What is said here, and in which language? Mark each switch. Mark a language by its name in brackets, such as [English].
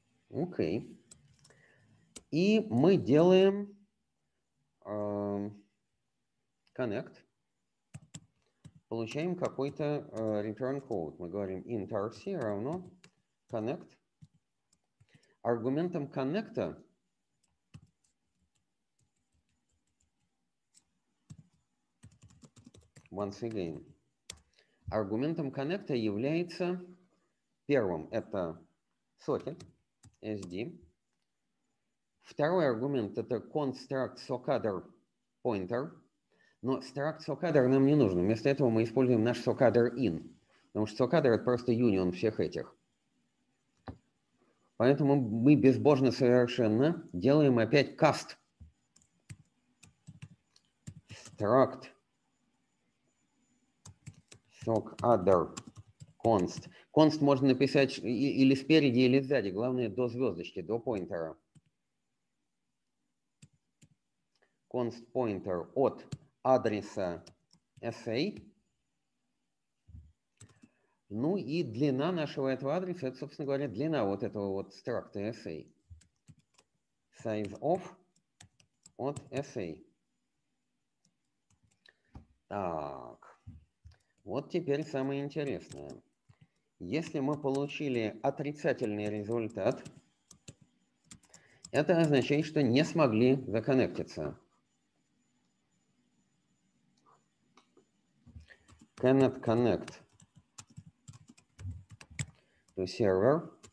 [Russian] Окей. И мы делаем connect. Получаем какой-то return code. Мы говорим int rc равно connect. Аргументом connect [English] once again. [Russian] Аргументом коннекта является первым. Это socket, SD. Второй аргумент это construct SoCadder pointer. Но struct SoCadder нам не нужен. Вместо этого мы используем наш SoCadder in. Потому что SoCadder это просто union всех этих. Поэтому мы безбожно совершенно делаем опять cast. Struct SoCadder const. Const можно написать или спереди, или сзади. Главное, до звездочки, до pointer. Const pointer от адреса SA. Ну и длина нашего этого адреса, это, собственно говоря, длина вот этого вот struct SA. Size of от SA. Так. Вот теперь самое интересное. Если мы получили отрицательный результат, это означает, что не смогли законнектиться. [English] Cannot connect to server.